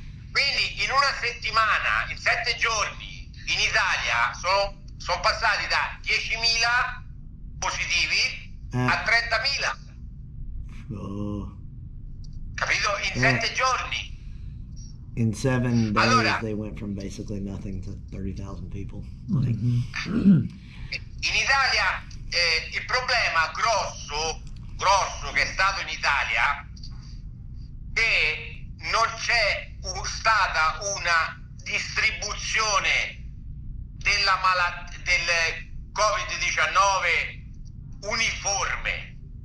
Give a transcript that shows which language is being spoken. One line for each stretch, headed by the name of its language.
Italian: Quindi in una settimana, in 7 giorni, in Italia sono passati da 10.000 positivi a 30.000. Capito? In 7 giorni.
English: In 7 days,
Italian: allora,
English: they went from basically nothing to 30,000 people.
Italian: In Italia, il problema grosso che è stato in Italia è che non c'è stata una distribuzione della del Covid-19 uniforme.